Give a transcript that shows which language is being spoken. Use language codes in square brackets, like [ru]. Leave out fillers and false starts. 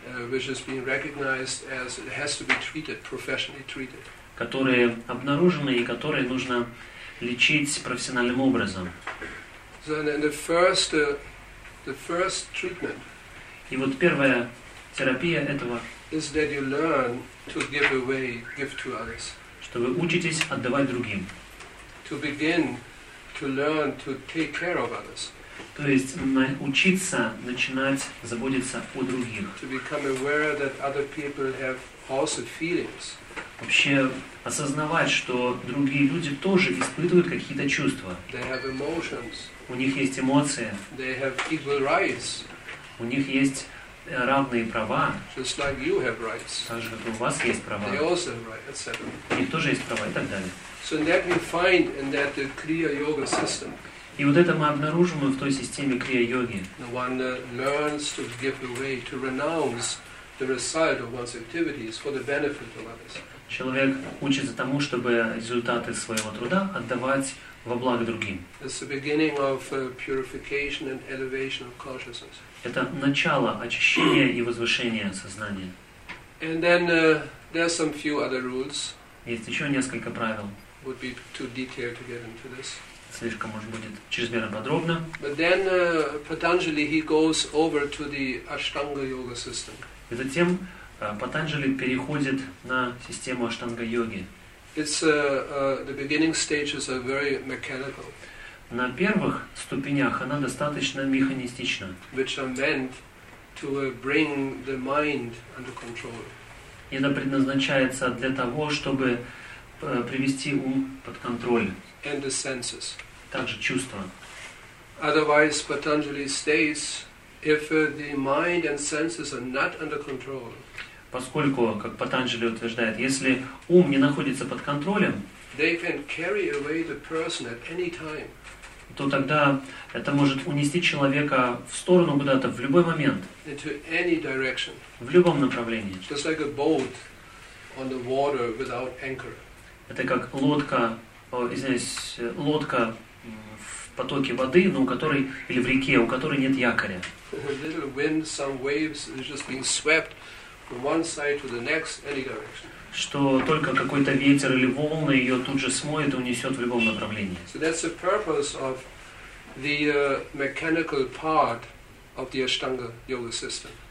[en] which is being recognized as it has to be treated, professionally treated. [ru] Которые обнаружены и которые нужно лечить профессиональным образом. [en] So then the first treatment. [ru] И вот первая терапия этого. [en] Is that you learn to give away, give to others. [ru] Что вы учитесь отдавать другим. [en] To begin to learn to take care of others. [ru] То есть учиться начинать заботиться о других. [en] To become aware that other people have also feelings. [ru] Вообще осознавать, что другие люди тоже испытывают какие-то чувства. [en] They have emotions. [ru] У них есть эмоции. [en] They have equal rights. [ru] У них есть равные права, [en] just like you have rights. [ru] Так же, как у вас есть права, [en] they also have rights, etc. [ru] У них тоже есть права и так далее. [en] So that we find in that the Kriya Yoga system. [ru] И вот это мы обнаружим в той системе Крия-йоги. [en] One learns to give away, to renounce the result of one's activities for the benefit of others. [ru] Человек учится тому, чтобы результаты своего труда отдавать во благо другим. [en] It's the beginning of purification and elevation of consciousness. [ru] Это начало очищения и возвышения сознания. [en] And then there are some few other rules. [ru] Есть еще несколько правил. [en] Would be too detailed to get into this. [ru] Слишком, может, будет чрезмерно подробно. [en] But then Patanjali he goes over to the Ashtanga Yoga system. [ru] И затем Патанджали переходит на систему Аштанга-йоги. [en] It's the beginning stages are very mechanical. [ru] На первых ступенях она достаточно механистична. [en] Which are meant to bring the mind under control. [ru] И она предназначается для того, чтобы привести ум под контроль. [en] And the senses. [ru] Также чувства. [en] Otherwise, Patanjali states, if the mind and senses are not under control, [ru] поскольку, как Патанджали утверждает, если ум не находится под контролем, [en] they can carry away the person at any time, [ru] то тогда это может унести человека в сторону куда-то в любой момент, [en] into any direction, [ru] в любом направлении. [en] Just like a boat on the water without anchor. [ru] Это как лодка, лодка в потоке воды, но у которой, или в реке, у которой нет якоря. [en] A little wind, some waves is just being swept from one side to the next, any direction. [ru] Что только какой-то ветер или волны ее тут же смоет и унесет в любом направлении. [en] So that's the purpose of the mechanical part of the Ashtanga Yoga system.